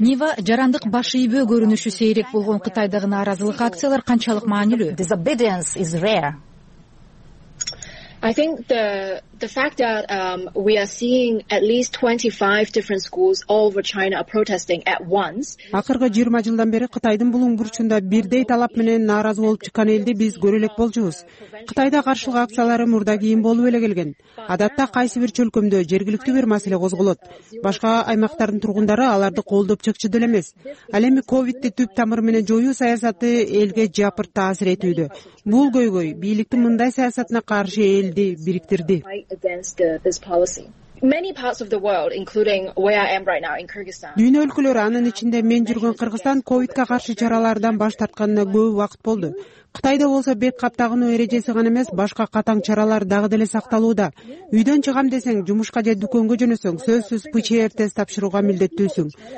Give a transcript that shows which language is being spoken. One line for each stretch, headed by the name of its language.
Kyrgyz: Нива жарандык баш ийбөө көрүнүшү сейрек болгон Кытайдагы нааразылык акциялар канчалык маанилүү?
English: Disobedience is rare. I think the fact that we are seeing at least 25 different schools all over China are protesting at once.
Kyrgyz: Акыркы 20 жылдан бери Кытайдын булуң бурчунда бирдей талап менен нааразы болуп чыккан элди биз көрө элек болчубуз. Кытайда каршылык акциялары мурда кийин болуп эле келген. Адатта кайсы бир чөлкөмдө жергиликтүү бир маселе козголот. Башка аймактардын тургундары аларды колдоп чыкчу деле эмес. Ал эми ковидди түп тамыр менен жоюу саясаты элге жапырт таасир этүүдө. Бул көйгөй бийликтин мындай саясатына каршы элди бириктирди.
English: Many parts of the world, including where I am right now in Kyrgyzstan.
Kyrgyz: Дүйнө өлкөлөрү, анын ичинде мен жүргөн Кыргызстан ковидке каршы чаралардан баш тартканына көп убакыт болду. Кытайда болсо бет кап тагынуу эрежеси гана эмес, башка катаң чаралар дагы деле сакталууда. Үйдөн чыгам десең, жумушка же дүкөнгө жөнөсөң, сөзсүз ПЦР тест тапшырууга милдеттүүсүң.